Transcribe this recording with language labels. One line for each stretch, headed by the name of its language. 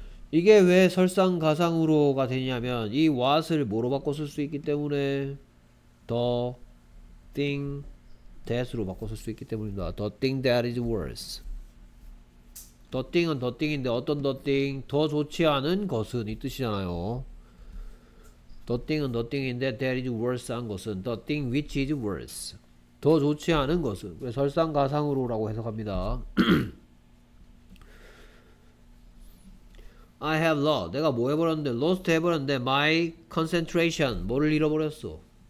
Korean: 이게 왜 설상 가상으로가 되냐면 이 what을 뭐로 바꿔 쓸 수 있기 때문에
English: the thing that
Korean: 으로 바꿔 쓸 수 있기 때문입니다.
English: The thing that is worse. The thing은 the thing인데
Korean: 어떤
English: the thing?
Korean: 더 좋지 않은 것은 이 뜻이잖아요.
English: The thing은 the thing인데 that is worse
Korean: 한 것은
English: the thing which is worse.
Korean: 더 좋지 않은 것은 설상가상으로 라고 해석합니다.
English: I have lost.
Korean: 내가 뭐 해버렸는데? Lost 해버렸는데
English: my concentration.
Korean: 뭐를 잃어버렸어?